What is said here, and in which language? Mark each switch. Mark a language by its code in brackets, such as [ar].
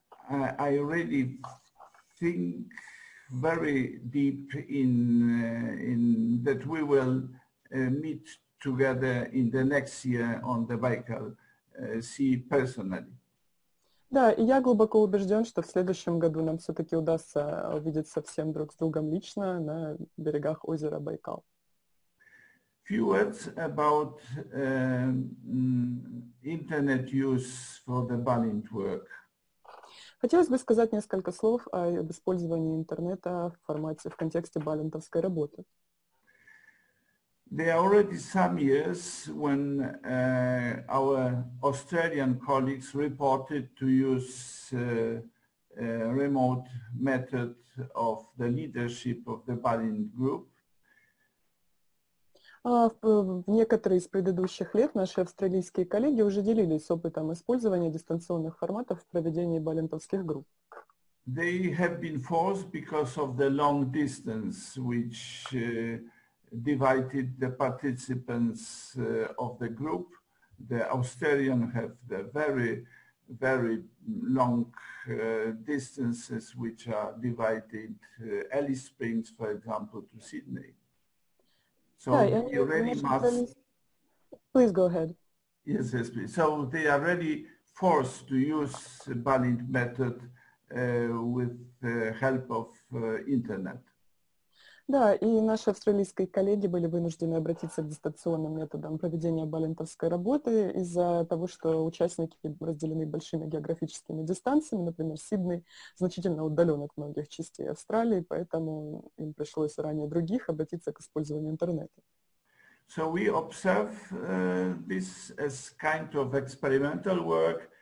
[en] I really think very deep in that we will meet together in the next year on the Baikal Sea personally. [ru] Да, и я глубоко убежден, что в следующем году нам все-таки удастся увидеться всем друг с другом лично на берегах озера Байкал. [en] Few words about internet use for the Balint work. [ru] Хотелось бы сказать несколько слов об использовании интернета в формате, в контексте балинтовской работы. [en] There are already some years when our Australian colleagues reported to use a remote method of the leadership of the Balint group. [ru] В некоторые из предыдущих лет наши австралийские коллеги уже делились опытом использования дистанционных форматов в проведении балинтовских групп. [en] They have been forced because of the long distance, which divided the participants of the group. The Austrian have the very, very long distances, which are divided Alice Springs, for example, to Sydney. So they already must... Please go ahead. Yes, yes, please. So they are really forced to use the Balint method with the help of internet. [ru] Да, и наши австралийские коллеги были вынуждены обратиться к дистанционным методам проведения балинтовской работы из-за того, что участники разделены большими географическими дистанциями, например, Сидней значительно удален от многих частей Австралии, поэтому им пришлось ранее других обратиться к использованию интернета. [en] So we observe this as kind of experimental work.